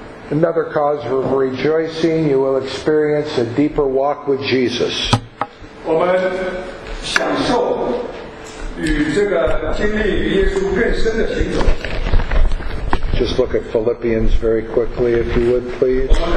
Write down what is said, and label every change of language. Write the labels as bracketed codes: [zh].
[en] Another cause for rejoicing, you will experience a deeper walk with Jesus. [zh] 我们享受与这个经历与耶稣更深的行走。 [en] Just look at Philippians very quickly, if you would, please.